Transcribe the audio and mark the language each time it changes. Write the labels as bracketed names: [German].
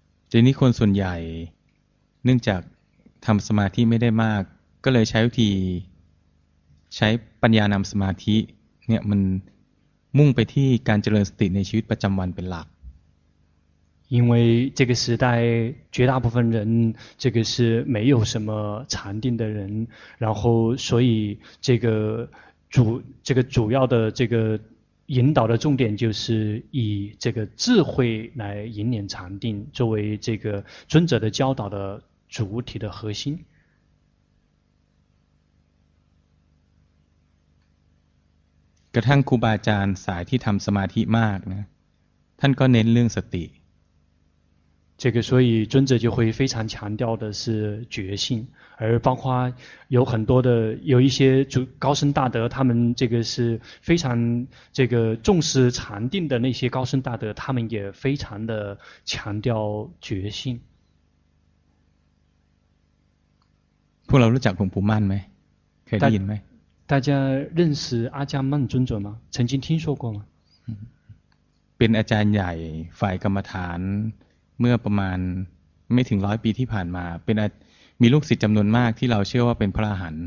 [Thai] ทีนี้คนส่วนใหญ่เนื่องจากทำสมาธิไม่ได้มากก็เลยใช้วิธีใช้ปัญญานำสมาธิเนี่ยมันมุ่งไปที่การเจริญสติในชีวิตประจำวันเป็นหลัก [Chinese] 因为这个时代绝大部分人这个是没有什么禅定的人，然后所以这个主要的这个引导的重点就是以这个智慧来引领禅定，作为这个尊者的教导的主体的核心。 [Thai] กระทั่งครูบาอาจารย์สายที่ทำสมาธิมากนะท่านก็เน้นเรื่องสติ [Chinese] 这个所以尊者就会非常强调的是觉性，而包括有很多的有一些高僧大德，他们这个是非常这个重视禅定的那些高僧大德，他们也非常的强调觉性。 [Thai] พวกเรารู้จักหลวงปู่มั่นไหมเคยได้ยินไหม [Chinese] 大家认识阿姜曼尊者吗？曾经听说过吗？ [Thai] เป็นอาจารย์ใหญ่ฝ่ายกรรมฐานเมื่อประมาณไม่ถึงร้อยปีที่ผ่านมาเป็นมีลูกศิษย์จำนวนมากที่เราเชื่อว่าเป็นพระอรหันต